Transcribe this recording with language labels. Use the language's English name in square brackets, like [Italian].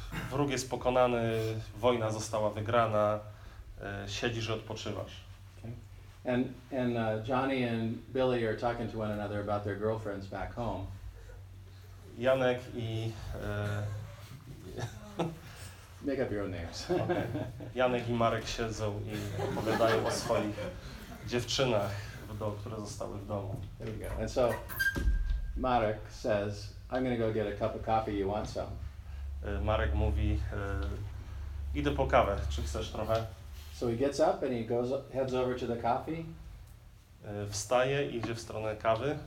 [Polish] Wróg jest pokonany, wojna została wygrana, siedzisz i odpoczywasz. [English] Okay. And Johnny and Billy are talking to one another about their girlfriends back home. [Polish] Janek i [English] make up your own names. Okay. [Polish] Janek i Marek siedzą i opowiadają o swoich dziewczynach, które zostały w domu. [English] There you go. And so Marek says, I'm gonna go get a cup of coffee, you want some? [Polish] Marek mówi, idę po kawę, czy chcesz trochę? [English] So he gets up and he goes, heads over to the coffee. [Polish] Wstaje, idzie w stronę kawy.